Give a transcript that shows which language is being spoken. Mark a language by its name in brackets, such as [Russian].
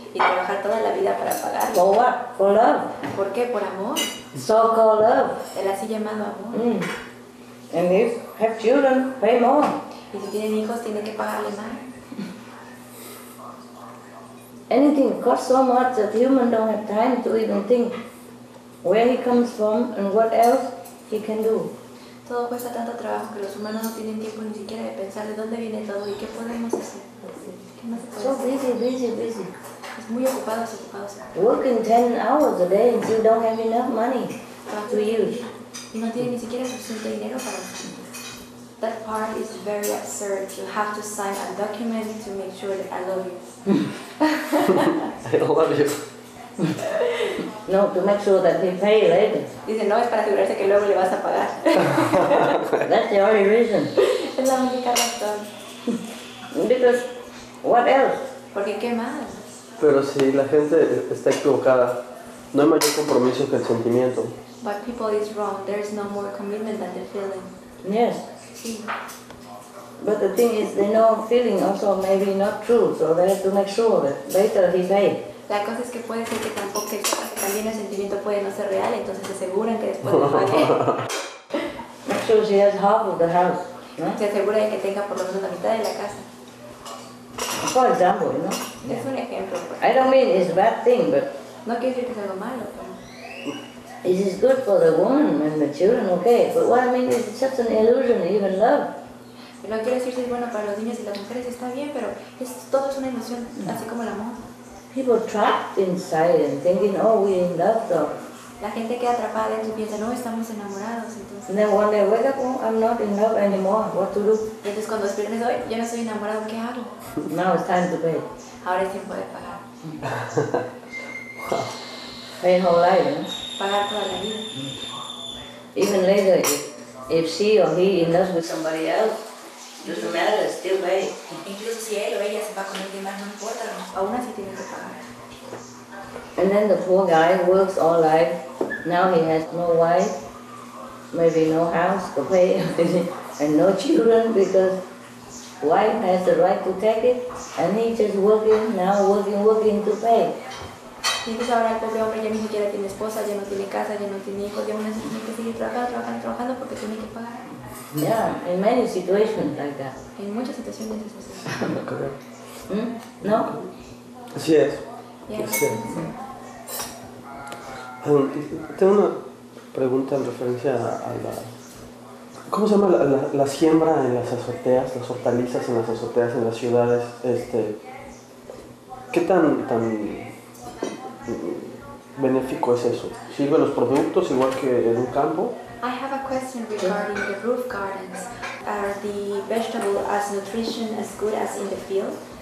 [Spanish] Y trabajar toda la vida para pagar. [English] For what? For love. [Spanish] ¿Por qué? Por amor. [English] So called love. [Spanish] El así llamado amor. [English] And if have children, pay more. [Spanish] Y si tienen hijos, tiene que pagarle más. [English] Anything costs so much that human don't have time to even think where he comes from and what else he can do. [Spanish] Todo cuesta tanto trabajo que los humanos no tienen tiempo ni siquiera de pensar de dónde viene todo y qué podemos hacer. ¿Qué más puede ser? [English] Busy. [Spanish] Es muy ocupados. [English] Working 10 hours a day and you don't have enough money to use. [Spanish] Y no tienen ni siquiera suficiente dinero para. [English] That part is very absurd. You have to sign a document to make sure that I love you. I love you. No, to make sure that they pay later. [Spanish] Dice, no, es para asegurarse que luego le vas a pagar. [English] That's the only reason. [Spanish] Es la única razón. [English] Because, what else? [Spanish] Porque, ¿qué más? Pero si la gente está equivocada, no hay mayor compromiso que el sentimiento. [English] But people is wrong. There is no more commitment than the feeling. Yes. [Spanish] Sí. [English] But the thing is, they know feeling also maybe not true, so they have to make sure that later he paid. [Spanish] La cosa es que puede ser que tampoco que también el sentimiento puede no ser real, entonces se aseguran que después lo pague. [English] Make sure she has half of the house. [Spanish] ¿No? Se asegura de que tenga por lo menos la mitad de la casa. [English] For example, you know. [Spanish] Yeah. Es un ejemplo. [English] I don't mean it's a bad thing, but. [Spanish] No quiere decir que sea algo malo. Pero. [English] It is good for the woman and the children, okay. But what I mean is, it's just an illusion, even love. [Spanish] Lo quiero decir es bueno para los niños y las mujeres está bien, pero es todo es una ilusión, así como el amor. [English] People trapped inside and thinking, oh, we're in love, though. [Spanish] La gente queda atrapada dentro y piensa, no, estamos enamorados, entonces. [English] And then when they wake up, oh, I'm not in love anymore. What to do? [Spanish] Entonces cuando despierten, hoy yo no estoy enamorado, ¿qué hago? [English] Now it's time to pay. [Spanish] Ahora es tiempo de pagar. [English] Pay whole life, eh? [Spanish] Pagar toda la vida. [English] Even later, if she or he in love with somebody else, doesn't matter, still pay. [Spanish] Incluso si él o ella se va con alguien más, no importa, aún así tiene que pagar. [English] And then the poor guy works all life. Now he has no wife, maybe no house to pay, and no children because wife has the right to take it, and he just working, now working to pay. [Spanish] Y entonces ahora el pobre hombre ya ni siquiera tiene esposa, ya no tiene casa, ya no tiene hijos, ya no tiene que seguir trabajando porque tiene que pagar. [English] Yeah, in many situations like that. [Spanish] En muchas situaciones es así. No creo. ¿No? Así es. [English] Yeah. [Spanish] Sí. Tengo una pregunta en referencia a la. ¿Cómo se llama la siembra en las azoteas, las hortalizas en las azoteas en las ciudades? ¿Qué tan benéfico es eso? ¿Sirve los productos igual que en un campo? [English] I have a question regarding the roof gardens. Are the vegetables as nutrition as good as in the field?